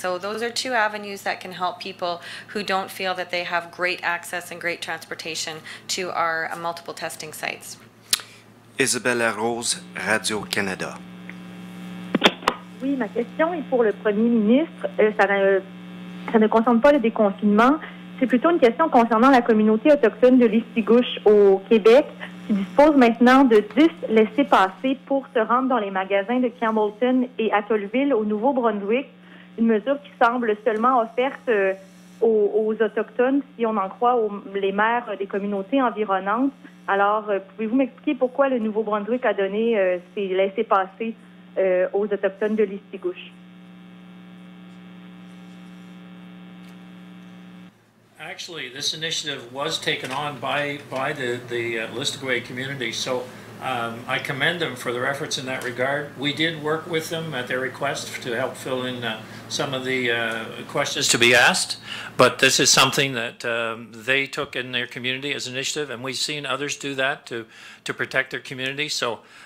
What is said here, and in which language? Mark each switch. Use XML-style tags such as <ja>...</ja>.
<en>So those are 2 avenues that can help people who don't feel that they have great access and great transportation to our multiple testing sites. Isabelle Rose, Radio-Canada.</en> <fr>Oui, ma question est pour le Premier ministre. Ça ne concerne pas le déconfinement. C'est plutôt une question concernant la communauté autochtone de l'Istigouche au Québec, qui dispose maintenant de 10 laissés-passer pour se rendre dans les magasins de Campbellton et Atollville au Nouveau-Brunswick, une mesure qui semble seulement offerte aux Autochtones, si on en croit les maires des communautés environnantes. Alors, pouvez-vous m'expliquer pourquoi le Nouveau-Brunswick a donné ces laissés-passer aux Autochtones de l'Istigouche?</fr> <en>Actually, this initiative was taken on by the Listigouet community, so I commend them for their efforts in that regard. We did work with them at their request to help fill in some of the questions to be asked, but this is something that they took in their community as initiative, and we've seen others do that to protect their community. So</en>